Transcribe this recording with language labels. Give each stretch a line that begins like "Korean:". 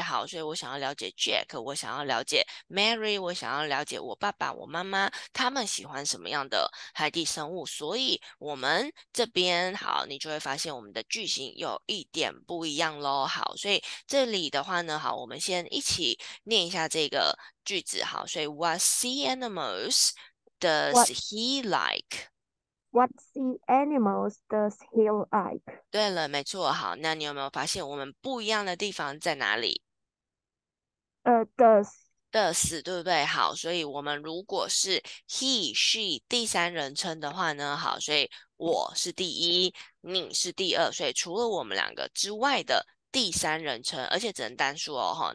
Chinese: 好，所以我想要了解 Jack， 我想要了解 Mary， 我想要了解我爸爸我妈妈他们喜欢什么样的海底生物，所以我们这边好，你就会发现我们的句型有一点不一样咯。好，所以这里的话呢，好，我们先一起念一下这个句子。好，所以
English: What sea animals does he like？ What sea animals does he like?
Chinese: 对了，没错。好，那你有没有发现我们不一样的地方在哪里？
English: Does.
Chinese: Does， 对不对？好，所以我们如果是 he, she 第三人称的话呢？好，所以我是第一，你是第二，所以除了我们两个之外的第三人称，而且只能单数哦，哈。